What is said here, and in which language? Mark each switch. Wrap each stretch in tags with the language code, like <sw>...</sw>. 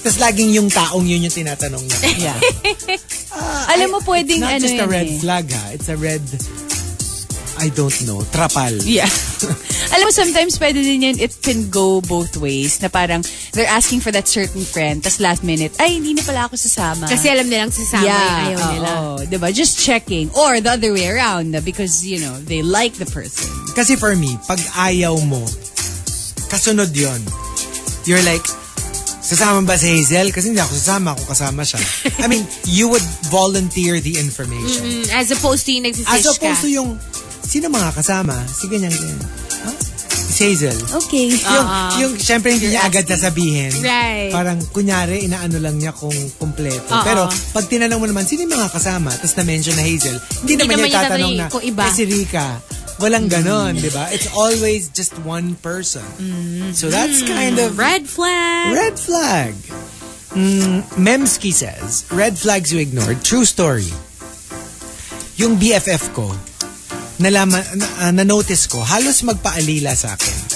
<tl>Tapos laging yung taong yun yung tinatanong niya. Yeah. Alam mo pwedeng ano yun.</tl> <en>It's not just a red flag ha. It's a red... I don't know. Trapal. Yeah.</en> <tl>Alam mo,</tl> <en>sometimes</en> <tl>pwede din yan,</tl> <en>it can go both ways.</en> <tl>Na parang,</tl> <en>they're asking for that certain friend,</en> <tl>tas</tl> <en>last minute,</en> <tl>ay, hindi na pala ako sasama. Kasi alam nilang sasama</tl> <en>yeah,</en> <tl>yung ayaw nila.</tl> <en>Diba? Just checking. Or the other way around, because, you know, they like the person.</en> <tl>Kasi for me, pag ayaw mo, kasunod yun.</tl> <en>You're like,</en> <tl>sasama ba si Hazel? Kasi hindi ako sasama, ako kasama siya.</tl> <en>I mean, you would volunteer the information. Mm-hmm. As opposed to</en> <tl>yung nagsisish ka.</tl> <en>As opposed to</en> <tl>yung, sino mga kasama? Si ganyan, ganyan. Huh? Si Hazel.</tl> <en>Okay.</en> <tl>Yung syempre, hindi niya agad sasabihin.</tl> <en>Right.</en> <tl>Parang, kunyari, inaano lang niya kung kumpleto. Uh-huh. Pero, pag tinanong mo naman, sino yung mga kasama? Tapos na-mention na Hazel. Hindi naman niya tatanong na, kung iba. Eh, si Rica. Walang ganon, di ba?</tl> <en>It's always just one person. Mm. So that's kind of... Red flag! Red flag! Memski says, red flags you ignored. True story.</en> <tl>Yung BFF ko, na-notice ko, halos magpaalila sa akin.</tl>